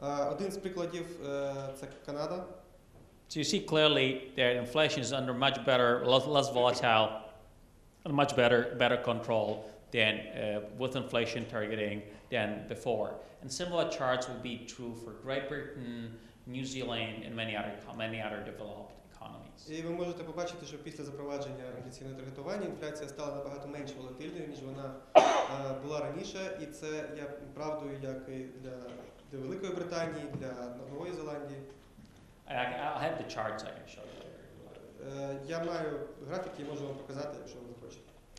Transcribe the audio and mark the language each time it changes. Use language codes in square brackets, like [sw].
[uk] Один з прикладів це Канада. [en] So you see clearly that inflation is under much better, less volatile, and much better control than with inflation targeting than before. And similar charts would be true for Great Britain, New Zealand, and many other developed economies. economies. [uk] І ви можете побачити, що після запровадження інфляційного таргетування інфляція стала набагато менш волатильною, ніж вона була раніше, і це є правдою як і для Великої Британії, для Нової Зеландії. [en] I have the charts I can show you. [uk] Я маю графіки, я можу вам показати, якщо ви захочете.